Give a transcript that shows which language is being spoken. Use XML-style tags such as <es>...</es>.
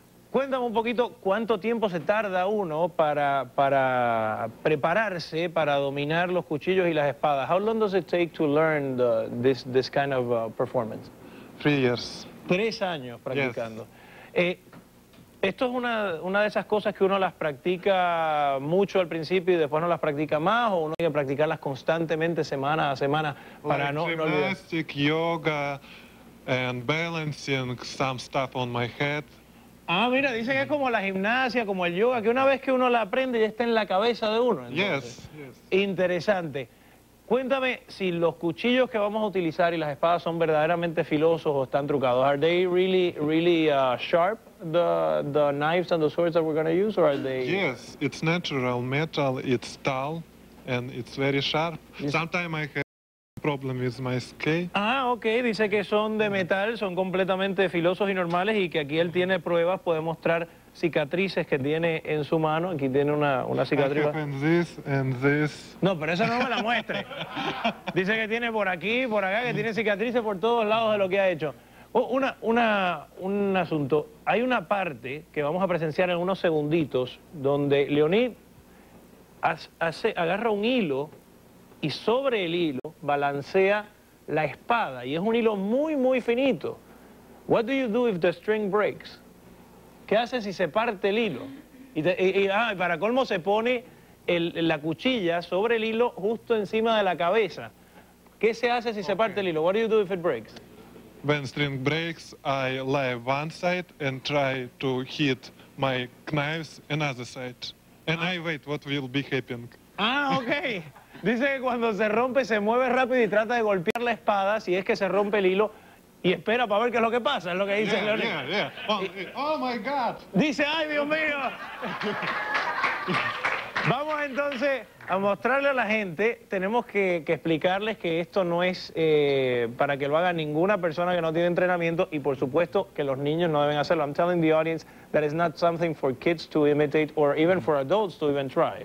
<es>Cuéntame un poquito cuánto tiempo se tarda uno para prepararse para dominar los cuchillos y las espadas.</es> <en>How long does it take to learn this kind of performance? 3 years.</en> <es>3 años practicando.</es> <en>Yes.</en> <es>Esto es una de esas cosas que uno las practica mucho al principio y después no las practica más, o uno tiene que practicarlas constantemente semana a semana para no olvidar.</es> <en>Gymnastic, yoga, and balancing some stuff on my head.</en> <es>Ah, mira, dice que es como la gimnasia, como el yoga, que una vez que uno la aprende ya está en la cabeza de uno. Entonces,</es> <en>yes, yes.</en> <es>Interesante. Cuéntame si los cuchillos que vamos a utilizar y las espadas son verdaderamente filosos o están trucados.</es> <en>Are they really, really sharp? The knives and the swords that we're going to use, or are they? Yes, it's natural metal. It's dull, and it's very sharp. Yes. Sometimes I have problem with my scale. Ah, okay.</en> <es>Dice que son de metal, son completamente filosos y normales, y que aquí él tiene pruebas. Puede mostrar cicatrices que tiene en su mano. Aquí tiene una cicatriz.</es> <en>I have this and this.</en> <es>No, pero eso no me la muestre. Dice que tiene por aquí, por acá, que tiene cicatrices por todos lados de lo que ha hecho. Oh, un asunto. Hay una parte que vamos a presenciar en unos segunditos donde Leonid agarra un hilo y sobre el hilo balancea la espada, y es un hilo muy muy finito.</es> <en>What do you do if the string breaks?</en> <es>¿Qué hace si se parte el hilo? Y para colmo se pone la cuchilla sobre el hilo justo encima de la cabeza. ¿Qué se hace si se parte el hilo?</es> <en>What do you do if it breaks? When string breaks, I lie one side and try to hit my knives another side. And I wait what will be happening. Ah, okay.</en> <es>Dice que cuando se rompe, se mueve rápido y trata de golpear la espada, si es que se rompe el hilo, y espera para ver qué es lo que pasa, es lo que dice Leonid.</es> <en>Yeah, yeah. Oh, my God.</en> <es>Dice, ay, Dios mío. Vamos entonces a mostrarle a la gente. Tenemos que explicarles que esto no es para que lo haga ninguna persona que no tiene entrenamiento, y por supuesto que los niños no deben hacerlo.</es> <en>I'm telling the audience that it's not something for kids to imitate or even for adults to even try.</en>